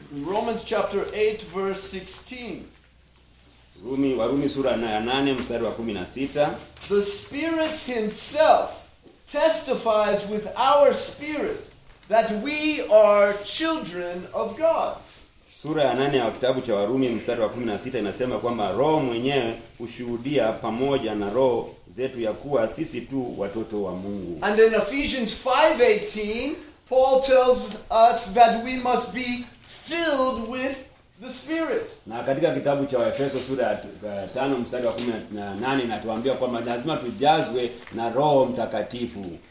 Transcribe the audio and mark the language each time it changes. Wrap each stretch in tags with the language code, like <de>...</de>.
<en>Romans chapter 8 verse 16.</en> <sw>Warumi sura ya 8 mstari wa 16.</sw> <en>The Spirit himself testifies with our spirit that we are children of God.</en> <sw>Sura ya 8 ya kitabu cha Warumi mstari wa 16 inasema kwamba roho mwenyewe ushuhudia pamoja na roho zetu ya kuwa sisi tu watoto wa Mungu.</sw> <en>And in Ephesians 5:18, Paul tells us that we must be filled with the Spirit.</en> <sw>Na katika kitabu cha Waefeso sura ya 5 mstari wa 18 inatuambia kwamba lazima tujazwe na Roho Mtakatifu.</sw>